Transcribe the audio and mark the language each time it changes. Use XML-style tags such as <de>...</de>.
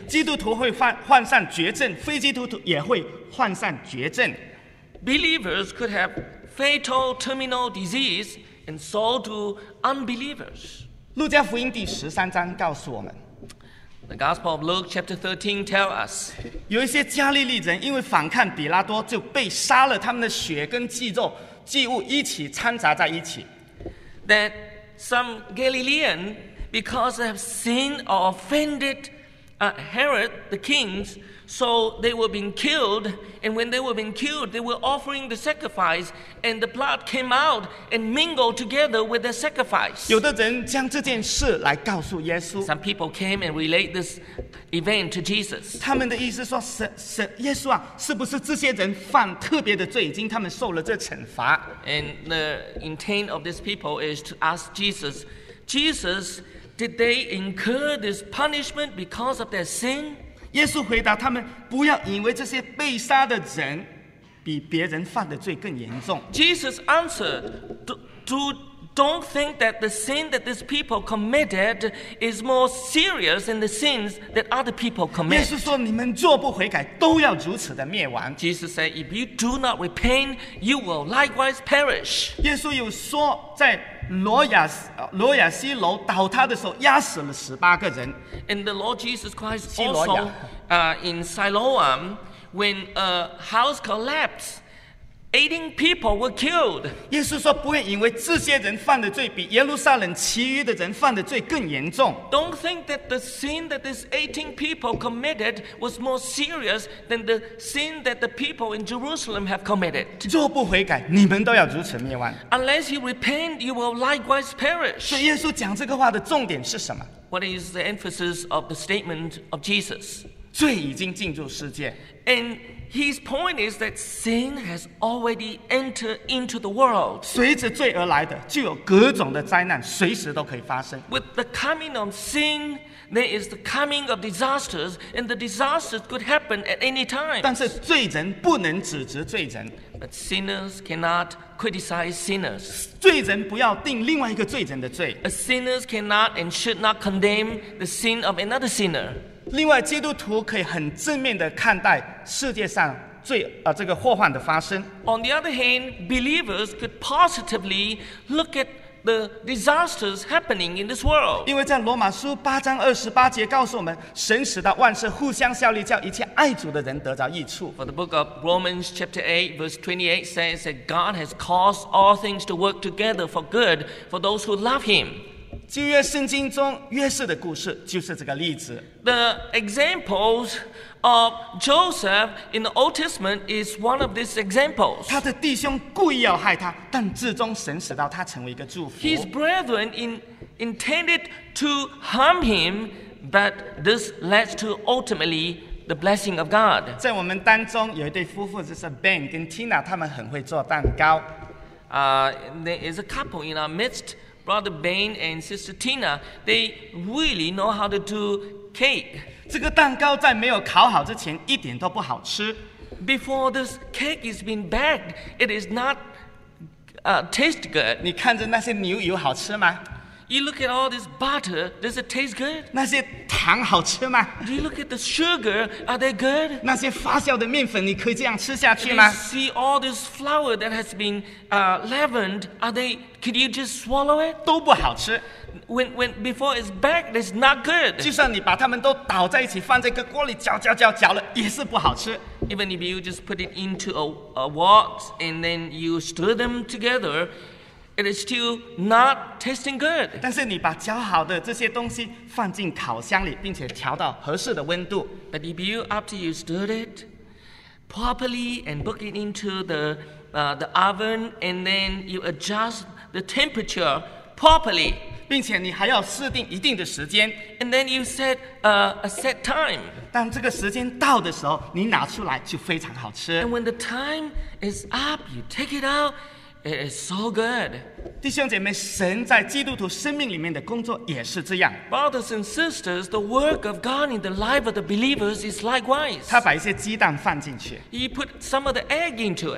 <zh>基督徒会患上绝症，非基督徒也会患上绝症。</zh> <en>Believers could have fatal terminal disease, and so do unbelievers.</en> <zh>路加福音第十三章告诉我们，</zh> <en>The Gospel of Luke chapter 13 tell us,</en> <zh>有一些加利利人因为反抗比拉多就被杀了，他们的血跟祭肉祭物一起掺杂在一起。</zh> <en>That some Galilean, because they have sinned or offended Herod the king, so they were being killed, and when they were being killed, they were offering the sacrifice, and the blood came out and mingled together with the sacrifice.</en> <zh>有的人将这件事来告诉耶稣。</zh> <en>Some people came and relate this event to Jesus.</en> <zh>他们的意思说，耶稣啊，是不是这些人犯特别的罪，已经他们受了这惩罚？</zh> <en>And the intent of these people is to ask Jesus, Jesus, did they incur this punishment because of their sin?</en> <zh>耶稣回答他们，不要以为这些被杀的人比别人犯的罪更严重。</zh> <en>Jesus answered, don't think that the sin that these people committed is more serious than the sins that other people commit.</en> <zh>耶稣说，你们若不悔改，都要如此的灭亡。</zh> <en>Jesus said, if you do not repent, you will likewise perish.</en> <zh>耶稣又说，在罗亚西楼倒塌的时候，压死了十八个人。</zh> <en>And the Lord Jesus Christ also, in Siloam, when a house collapsed, 18 people were killed.</en> <zh>耶稣说，不要以为这些人犯的罪比耶路撒冷其余的人犯的罪更严重。</zh> <en>Don't think that the sin that these 18 people committed was more serious than the sin that the people in Jerusalem have committed.</en> <zh>若不悔改，你们都要如此灭亡。</zh> <en>Unless you repent, you will likewise perish.</en> <zh>所以耶稣讲这个话的重点是什么？</zh> <en>What is the emphasis of the statement of Jesus?</en> <zh>罪已经进入世界。</zh> <en>AndHis point is that sin has already entered into the world.</en> <zh>随着罪而来的，就有各种的灾难，随时都可以发生。</zh> <en>With the coming of sin, there is the coming of disasters, and the disasters could happen at any time.</en> <zh>但是罪人不能指责罪人。</zh> <en>But sinners cannot criticize sinners.</en> <zh>罪人不要定另外一个罪人的罪。</zh> <en>A sinners cannot and should not condemn the sin of another sinner.</en> <zh>另外，基督徒可以很正面地看待世界上罪这个祸患的发生。</zh> <en>On the other hand, believers could positively look at the disasters happening in this world.</en> <zh>因为在罗马书八章二十八节告诉我们，神使到万事互相效力，叫一切爱主的人得着益处。</zh> <en>For the book of Romans chapter 8 verse 28 says that God has caused all things to work together for good for those who love him.</en> <zh>旧约圣经中约瑟的故事就是这个例子。</zh> <en>The examples of Joseph in the Old Testament is one of these examples.</en> <zh>他的弟兄故意要害他，但最终神使到他成为一个祝福。</zh> <en>His brethren intended to harm him, but this led to ultimately the blessing of God.</en> <zh>在我们当中有一对夫妇，就是 Ben 跟 Tina， 他们很会做蛋糕。</zh> <en>There is a couple in our midst, Brother Ben and Sister Tina. They really know how to do cake.</en> <zh>这个蛋糕在没有烤好之前一点都不好吃。</zh> <en>Before this cake is been baked, it is not taste good.</en> <zh>你看着那些牛油好吃吗？</zh> <en>You look at all this butter, does it taste good?</en> <zh>那些糖好吃吗？</zh> <en>Do you look at the sugar, are they good?</en> <zh>那些发酵的面粉你可以这样吃下去吗？</zh> <en>Do you see all this flour that has been leavened, could you just swallow it?</en> <zh>都不好吃。</zh> <en>When before it's baked, it's not good.</en> <zh>就算你把它们都倒在一起，放在一个锅里搅了，也是不好吃。</zh> <en>Even if you just put it into a wok and then you stir them together, it is still not tasting good.</en> <zh>但是你把搅好的这些东西放进烤箱里，并且调到合适的温度。</zh> <en>But if you after you stir it properly and put it into the oven and then you adjust the temperature properly.</en> <zh>并且你还要设定一定的时间</zh> <en>，and then you set a set time。</en> <zh>当这个时间到的时候，你拿出来就非常好吃。</zh> <en>And when the time is up, you take it out, it is so good。</en> <zh>弟兄姐妹，神在基督徒生命里面的工作也是这样。</zh> <en>Brothers and sisters, the work of God in the life of the believers is likewise。</en> <zh>他把一些鸡蛋放进去</zh> <en>，He put some of the egg into it。</en>